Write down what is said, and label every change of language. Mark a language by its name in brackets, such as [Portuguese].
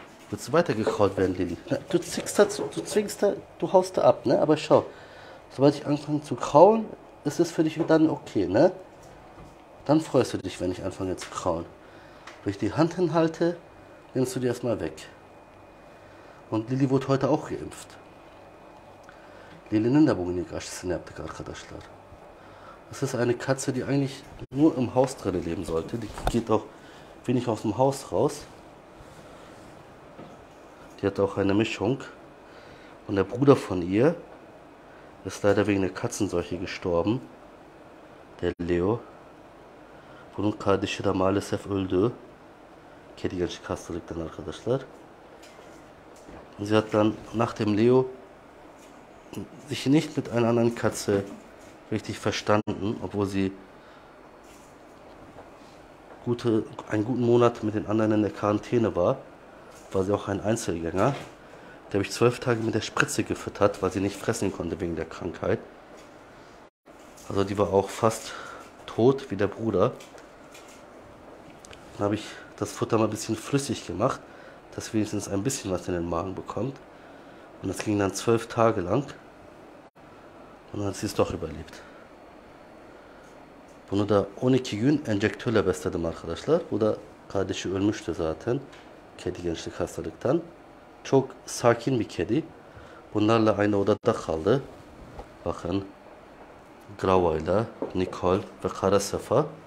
[German] Willst du weitergekraut werden, Lilly? Na, du zwickst da, du zwingst da, du haust da ab, ne? Aber schau, sobald ich anfange zu krauen, ist es für dich dann okay, ne? Dann freust du dich, wenn ich anfange zu krauen. Wenn ich die Hand hinhalte, nimmst du die erstmal weg. Und Lilly wurde heute auch geimpft. [Turkish] Lilly'nin de bugün ilk aşısını yaptık arkadaşlar. [German] Das ist eine Katze, die eigentlich nur im Haus drin leben sollte. Die geht auch wenig aus dem Haus raus. Die hat auch eine Mischung. Und der Bruder von ihr ist leider wegen der Katzenseuche gestorben. Der Leo. [Turkish] Bunun kardeşi de maalesef öldü. Kedi gençlik hastalıktan arkadaşlar. [German] Sie hat dann nach dem Leo sich nicht mit einer anderen Katze richtig verstanden, obwohl sie einen guten Monat mit den anderen in der Quarantäne war, war sie auch ein Einzelgänger. Die habe ich 12 Tage mit der Spritze gefüttert, weil sie nicht fressen konnte wegen der Krankheit. Also die war auch fast tot wie der Bruder. Dann habe ich das Futter mal ein bisschen flüssig gemacht, dass wenigstens ein bisschen was in den Magen bekommt. Und das ging dann 12 Tage lang. Und dann hat sie es doch überlebt. [Turkish] Bunu da 12. gün enjektörle besledim arkadaşlar. Bu da kardeşi ölmüştü zaten. Kedi gençlik hastalıktan. Çok sakin bir kedi. Bunlarla aynı odada kaldı. Bakın. Grava ile Nicole ve Kara Sefa.